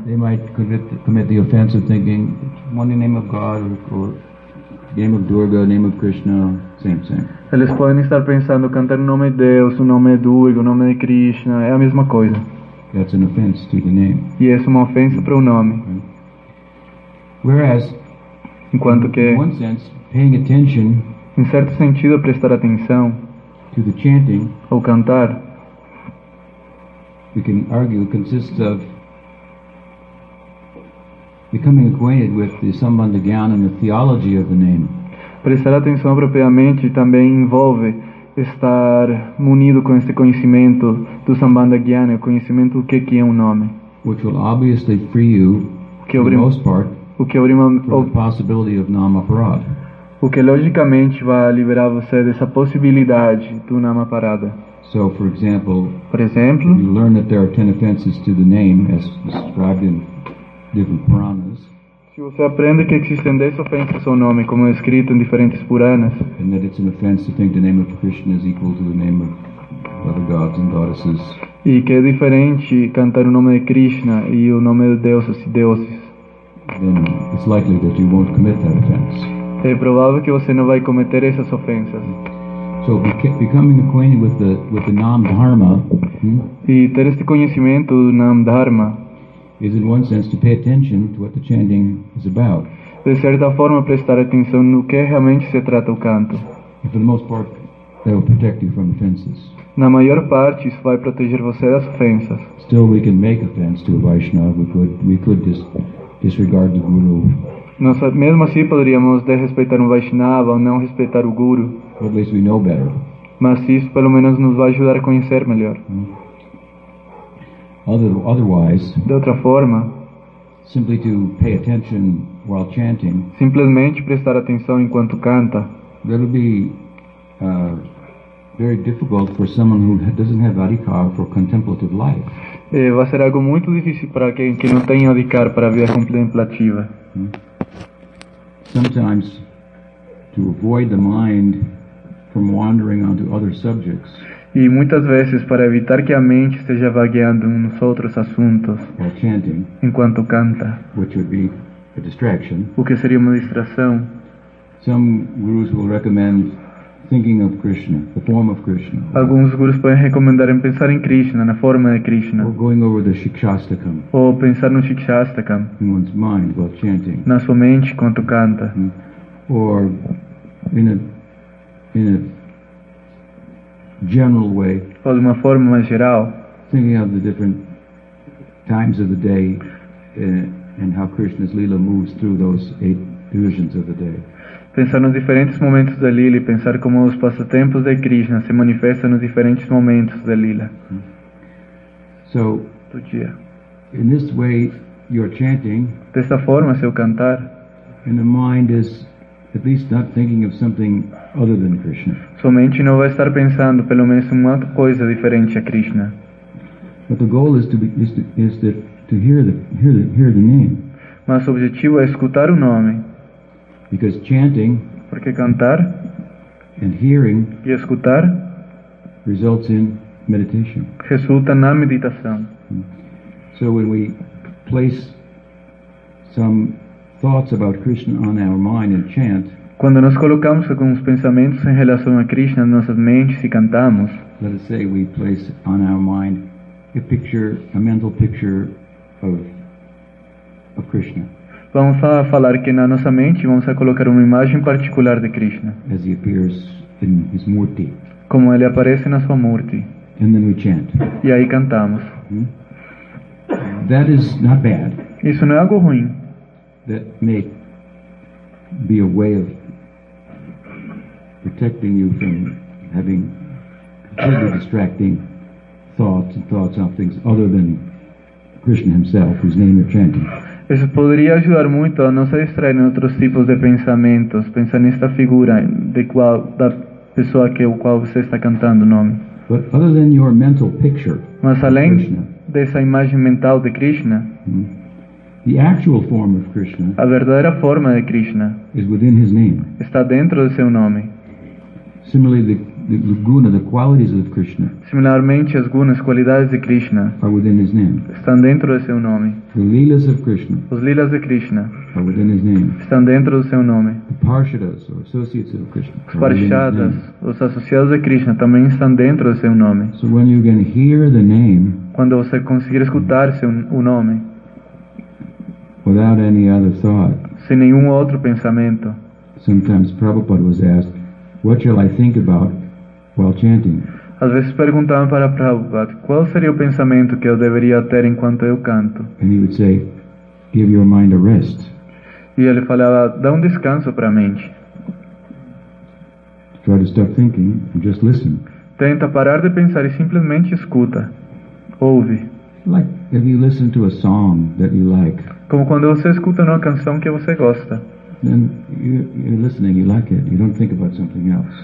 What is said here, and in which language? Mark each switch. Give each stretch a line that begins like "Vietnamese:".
English: They might commit the offense of thinking one name of God or name of Durga, name of Krishna, same.
Portuguese: Eles podem estar pensando cantar o nome de Deus, o nome de Durga, o nome de Krishna, é a mesma coisa.
English: That's an offense to the name.
Portuguese: E essa é uma ofensa para o nome.
English: Whereas,
Portuguese: enquanto que,
English: in one sense, paying attention,
Portuguese: em certo sentido, prestar atenção
English: to the chanting,
Portuguese: ao cantar.
English: We can argue consists of becoming acquainted with the sambandha gyan and the theology of the name.
Portuguese: Prestar atenção propriamente também envolve estar munido com esse conhecimento do sambandha gyan, o conhecimento do que é um nome.
English: Which will obviously free you, for the most part, from the possibility of nama parada.
Portuguese: O que logicamente vai liberar você dessa possibilidade do nama parada.
English: So, for example,
Portuguese: por exemplo,
English: you learn that there are 10 offenses to the name, as described in different Puranas.
Portuguese: Se você aprende que existem 10 ofensas ao nome, como é escrito em diferentes Puranas.
English: And that it's an offense to think the name of Krishna is equal to the name of other gods and goddesses.
Portuguese: E que é diferente cantar o nome de Krishna e o nome de deuses e deuses.
English: Then it's likely that you won't commit that offense.
Portuguese: É provável que você não vai cometer essas ofensas.
English: So becoming acquainted with the Nam Dharma.
Portuguese: E ter este conhecimento do Nam Dharma.
English: Is in one sense to pay attention to what the chanting is about.
Portuguese: De certa forma prestar atenção no que realmente se trata o canto.
English: And for the most part, that will protect you from offenses.
Portuguese: Na maior parte isso vai proteger você das ofensas.
English: Still, we can make offense to a Vaishnava. We could disregard the guru.
Portuguese: Nossa, mesmo assim poderíamos desrespeitar um Vaishnava ou não respeitar o guru.
English: But at least we know better.
Portuguese: Mas isso pelo menos nos vai ajudar a conhecer melhor.
English: Otherwise,
Portuguese: de outra forma,
English: simply to pay attention while chanting,
Portuguese: simplesmente prestar atenção enquanto canta,
English: that'll be very difficult for someone who doesn't have adhikar for contemplative life.
Portuguese: Vai ser algo muito difícil para quem que não tem adhikar para a vida contemplativa.
English: Sometimes, to avoid the mind from wandering onto other subjects.
Portuguese: E muitas vezes para evitar que a mente esteja vagueando nos outros assuntos
English: chanting,
Portuguese: enquanto canta,
English: which would be a distraction,
Portuguese: o que seria uma distração.
English: Some gurus will recommend thinking of Krishna, the form of Krishna.
Portuguese: Alguns gurus podem recomendar em pensar em Krishna, na forma de Krishna.
English: Or going over the Shikshastakam,
Portuguese: ou pensar no Shikshastakam,
English: in one's mind while chanting,
Portuguese: na sua mente enquanto canta.
English: Or in a general way,
Portuguese: ou de uma forma mais geral,
English: thinking of the different times of the day and how Krishna's lila moves through those eight divisions of the day.
Portuguese: Pensar nos diferentes momentos da lila e pensar como os passatempos de Krishna se manifestam nos diferentes momentos da lila.
English: So,
Portuguese: do dia.
English: In this way, you're chanting.
Portuguese: Dessa forma, seu cantar.
English: And the mind is at least not thinking of something other than Krishna.
Portuguese: Somente não vai estar pensando pelo menos em uma coisa diferente a Krishna.
English: But the goal is to hear the name.
Portuguese: Mas o objetivo é escutar o nome.
English: Because chanting,
Portuguese: porque cantar,
English: and hearing,
Portuguese: e escutar,
English: results in meditation.
Portuguese: Resulta na meditação.
English: So when we place some thoughts about Krishna on our mind and chant.
Portuguese: Quando nós colocamos alguns pensamentos em relação a Krishna nas nossas mentes e cantamos.
English: Let us say we place on our mind a mental picture of Krishna.
Portuguese: Vamos falar que na nossa mente vamos a colocar uma imagem particular de Krishna.
English: As he appears in his murti.
Portuguese: Como ele aparece na sua murti.
English: And then we chant.
Portuguese: E aí cantamos.
English: That is not bad.
Portuguese: Isso não é algo ruim.
English: That may be a way of protecting you from having completely distracting thoughts and thoughts on things other than Krishna himself, whose name you're chanting.
Portuguese: Isso poderia ajudar muito a não se distrair em outros tipos de pensamentos, pensar nesta figura de qual da pessoa que o qual você está cantando o nome.
English: But other than your mental picture,
Portuguese: mas além dessa imagem mental de Krishna.
English: The actual form of Krishna,
Portuguese: a verdadeira forma de Krishna,
English: is within his name.
Portuguese: Está dentro de seu nome.
English: Similarly, the guna, the qualities of Krishna,
Portuguese: similarmente as gunas, qualidades de Krishna,
English: are within his name.
Portuguese: Estão dentro de seu nome.
English: The lilas of Krishna,
Portuguese: os lilas de Krishna,
English: are within his name.
Portuguese: Estão dentro do seu nome.
English: The parshadas, or associates of Krishna,
Portuguese: os parshadas, os associados de Krishna, também estão dentro do seu nome.
English: So when you can hear the name,
Portuguese: quando você conseguir escutar o nome.
English: Without any other thought.
Portuguese: Sem nenhum outro pensamento.
English: Sometimes Prabhupada was asked, "What shall I think about while chanting?"
Portuguese: Às vezes perguntavam para Prabhupada, qual seria o pensamento que eu deveria ter enquanto eu canto?
English: And he would say, "Give your mind a rest."
Portuguese: E ele falava, dá descanso para a mente.
English: Try to stop thinking and just listen.
Portuguese: Tenta parar de pensar e simplesmente escuta, ouve.
English: Like if you listen to a song that you like.
Portuguese: Como quando você escuta uma canção que você gosta.
English: Then you're listening, you like it, you don't think about something else.